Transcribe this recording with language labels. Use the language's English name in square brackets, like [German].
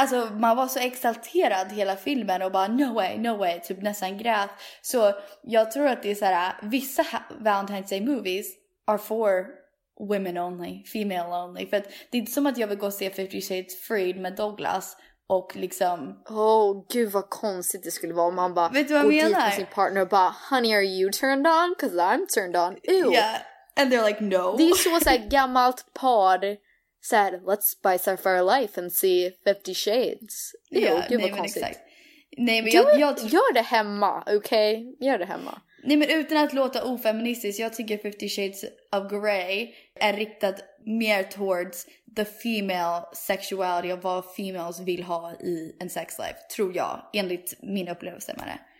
[Swedish] Alltså, man var så exalterad hela filmen. Och bara, [English] no way, no way. [Swedish] Typ nästan grät. Så jag tror att det är så här, vissa [English] Valentine's Day movies are for women only. Female only. [Swedish] För att det är inte som att jag vill gå och se 50 Shades Freed med Douglas. Och liksom... oh, gud vad konstigt det skulle vara om man bara... vet du vad jag menar? Och sin partner bara, [English] honey, are you turned on? Because I'm turned on. Ew. Yeah. And they're like, no. [Swedish] Det är så såhär gammalt par said, [English] let's spice up our life and see 50 Shades. Ew, yeah, [Swedish] gud vad konstigt. Nej, men jag gör det hemma, okej? Okay? Gör det hemma. Nej, men utan att låta ofeministisk, jag tycker 50 Shades of Grey är riktat mer [English] towards the female sexuality [Swedish] och vad females vill ha i en sex life, tror jag, enligt min upplevelse med det.